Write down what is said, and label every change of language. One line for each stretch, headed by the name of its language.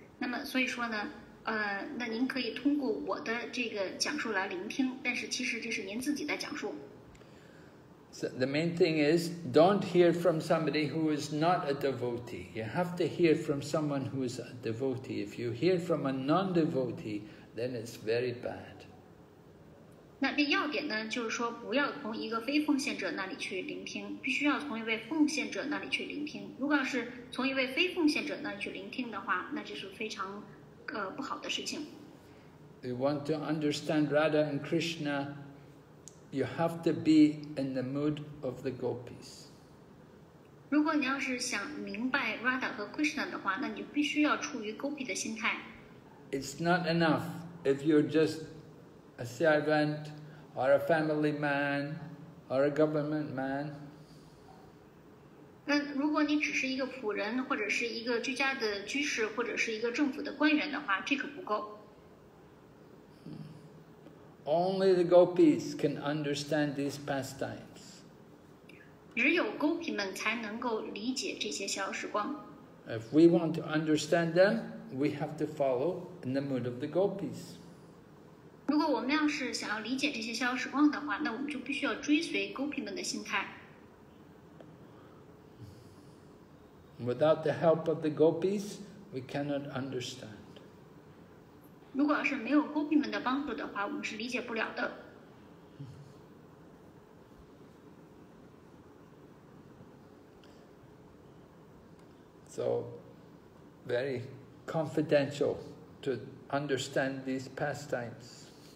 Chinese: 那么所以说呢，那您可以通过我的这个讲述来聆听，但是其实这是您自己在讲述。
English: So the main thing is, don't hear from somebody who is not a devotee. You have to hear from someone who is a devotee. If you hear from a non-devotee, then it's very bad.
Chinese: 那这要点呢，就是说不要从一个非奉献者那里去聆听，必须要从一位奉献者那里去聆听。如果要是从一位非奉献者那里去聆听的话，那就是非常不好的事情。
English: You want to understand Radha and Krishna, you have to be in the mood of the gopis.
Chinese: 如果你要是想明白 Radha 和 Krishna 的话，那你必须要处于 gopi 的心态。
English: It's not enough if you're just a servant or a family man or a government man.
Chinese: 那如果你只是一个仆人，或者是一个居家的居士，或者是一个政府的官员的话，这可不够。
English: Only the gopis can understand these pastimes.
Chinese: 只有 gopi 们才能够理解这些小时光。
English: If we want to understand them, we have to follow in the mood of the gopis.
Chinese: 如果我们要是想要理解这些小时光的话，那我们就必须要追随 gopi 们的心态。
English: Without the help of the gopis, we cannot understand.
Chinese: 如果要是没有 gopi 们的帮助的话，我们是理解不了的。
English: So, very confidential to understand these pastimes.